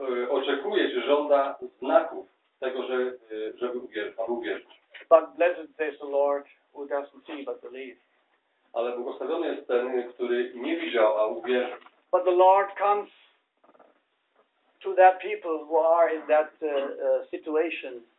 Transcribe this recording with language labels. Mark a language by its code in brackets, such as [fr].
[pl] Oczekuje, czy żąda znaków tego, żeby uwierzyć. [en] But blessed is the Lord who doesn't see but believe. [pl] Ale błogosławiony jest ten, który nie widział, a uwierzył. [en] But the Lord comes to that people who are in that situation.